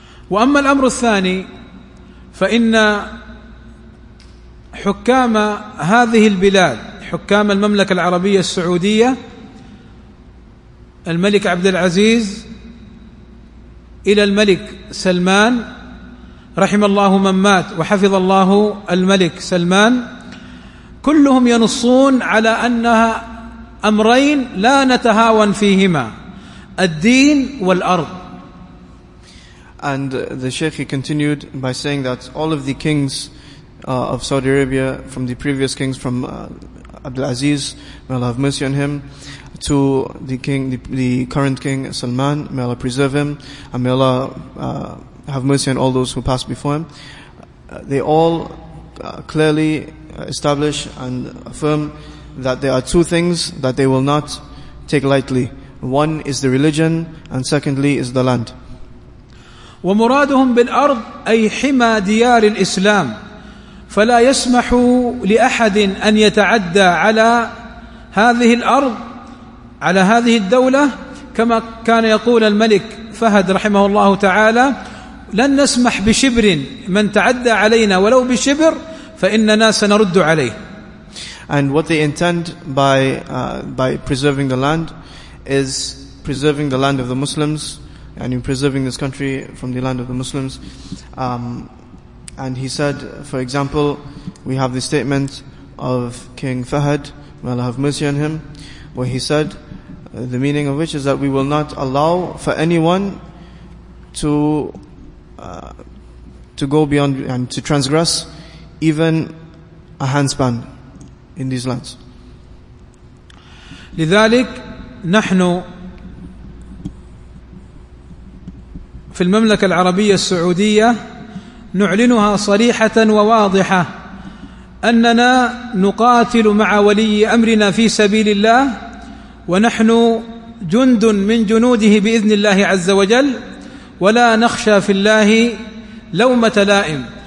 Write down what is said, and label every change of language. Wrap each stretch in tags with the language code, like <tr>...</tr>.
<ar>وأما الأمر الثاني فإن حكام هذه البلاد حكام المملكة العربية السعودية الملك عبد العزيز إلى الملك سلمان رحم الله من مات وحفظ الله الملك سلمان كلهم ينصون على أنها أمرين لا نتهاون فيهما الدين والأرض.</ar> <en>And the Sheikh, he continued by saying that all of the kings of Saudi Arabia, from the previous kings, from Abdulaziz, may Allah have mercy on him, to the king, the current king Salman, may Allah preserve him, and may Allah have mercy on all those who passed before him. They all clearly establish and affirm that there are two things that they will not take lightly. One is the religion, and secondly is the land.</en> <ar>ومرادهم بالأرض أي حما ديار الإسلام فلا يسمح لأحد أن يتعدى على هذه الأرض على هذه الدولة كما كان يقول الملك فهد رحمه الله تعالى لن نسمح بشبر من تعدى علينا ولو بشبر فإننا سنرد عليه.</ar> <en>And what they intend by preserving the land is preserving the land of the Muslims, and in preserving this country from the land of the Muslims. And he said, for example, we have the statement of King Fahd, may Allah have mercy on him, where he said, the meaning of which is that we will not allow for anyone to go beyond and to transgress even a handspan in these lands.</en> <ar>لذلك نحن في المملكة العربية السعودية نعلنها صريحة وواضحة أننا نقاتل مع ولي أمرنا في سبيل الله، ونحن جند من جنوده بإذن الله عز وجل، ولا نخشى في الله لومة لائم.</ar>